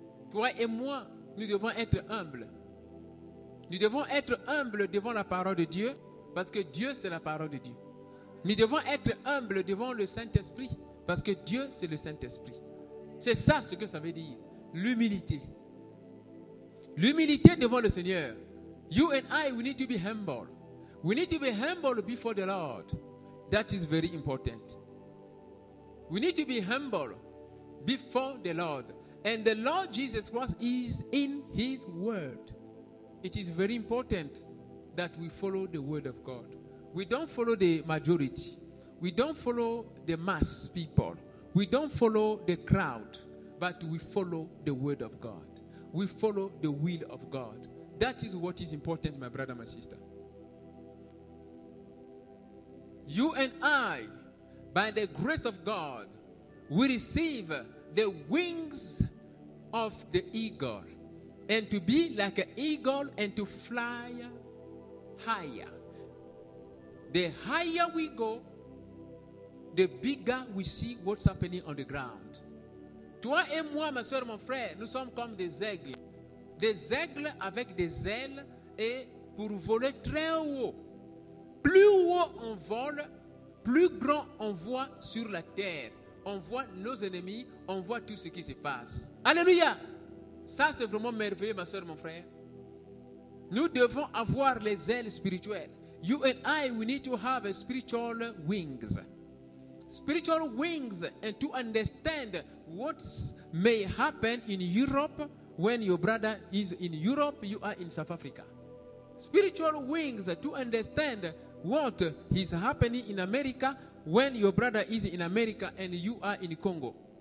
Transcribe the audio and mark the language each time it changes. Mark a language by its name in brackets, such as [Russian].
[French] Toi et moi, nous devons être humbles. Nous devons être humbles devant la parole de Dieu, parce que Dieu, c'est la parole de Dieu. Nous devons être humbles devant le Saint-Esprit, parce que Dieu, c'est le Saint-Esprit. C'est ça ce que ça veut dire, l'humilité. L'humilité devant le Seigneur. [English] You and I, we need to be humble. We need to be humble before the Lord. That is very important. We need to be humble before the Lord. And the Lord Jesus Christ is in his word. It is very important that we follow the word of God. We don't follow the majority. We don't follow the mass people. We don't follow the crowd. But we follow the word of God. We follow the will of God. That is what is important, my brother, my sister. You and I, by the grace of God, we receive the wings of the eagle, and to be like an eagle and to fly higher. The higher we go, the bigger we see what's happening on the ground. [French] Toi et moi, ma soeur, mon frère, nous sommes comme des aigles. Des aigles avec des ailes et pour voler très haut. Plus haut on vole, plus grand on voit sur la terre. On voit nos ennemis, on voit tout ce qui se passe. Alléluia! Ça, c'est vraiment merveilleux, ma soeur, mon frère. Nous devons avoir les ailes spirituelles. [English] You and I, we need to have spiritual wings. Spiritual wings, and to understand what may happen in Europe when your brother is in Europe, you are in South Africa. Spiritual wings to understand what is happening in America when your brother is in America and you are in Congo.